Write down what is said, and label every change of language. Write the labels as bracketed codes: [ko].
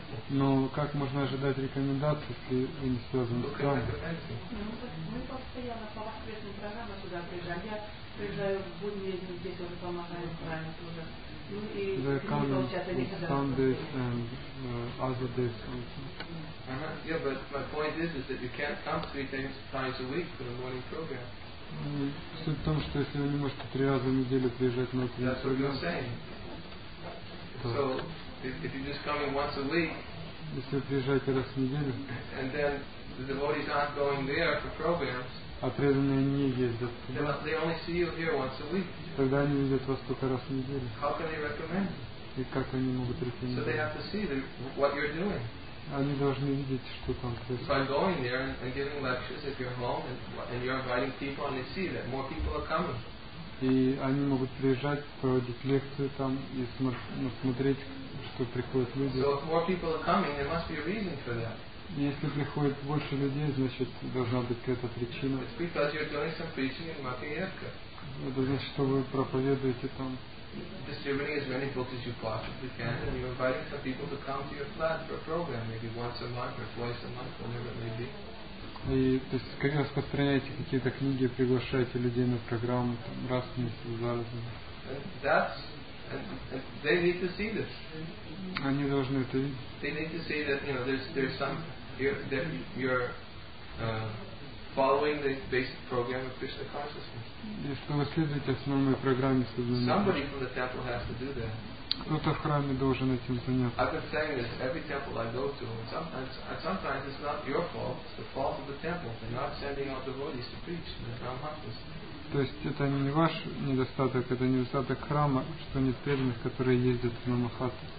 [ru] Но как можно ожидать рекомендаций, если вы не связаны с храмом? Мы постоянно по воскресным программам сюда приезжаем. Я приезжаю в будни, здесь уже помогаем в храме тоже. [en] They come on Sundays and other days also. Yeah, but my point is that you can't come three times a week for the morning program. [ru] Суть в том, что если вы не можете три раза в неделю приезжать на утренний программ. [en] That's what you're saying. So, if you're just coming once a week, [ru] если вы приезжаете раз в неделю, [en] and then the devotees aren't going there for programs, [ru] а преданные не ездят туда. [en] They only see you here once a week. [ru] Тогда они видят вас только раз в неделю. [en] How can they recommend? [ru] И как они могут рекомендовать? [en] So they have to see what you're doing. [ru] Они должны видеть, что там происходит. [en] By going there and giving lectures at your home and you're inviting people and they see that more people are coming. [ru] И они могут приезжать, проводить лекцию там и смотреть, что приходят люди. [en] So if more people are coming, there must be a reason for that. [ru] Если приходит больше людей, значит, должна быть какая-то причина. [en] It's because you're doing some preaching in Makayevka. [ru] Это значит, что вы проповедуете там. [en] Distributing as many books as you possibly can, and you're inviting some people to come to your flat for a program, maybe once a month or twice a month, whenever it may be. [ru] И то есть, как распространяете какие-то книги, приглашаете людей на программу там, раз в месяц, за разом. [en] And they need to see this. [ru] Они должны это видеть. [en] They need to see that, you know, there's some that you're following the basic program of Krishna consciousness. [ru] И что вы следуете основной программе сознания. [en] Somebody from the temple has to do that. [ru] Кто-то в храме должен этим заняться. [en] I've been saying this every temple I go to, and sometimes it's not your fault, it's the fault of the temple. They're not sending out devotees to preach in the Brahmanas. [ru] То есть это не ваш недостаток, это недостаток храма, что нет преданных, которые ездят на Махату.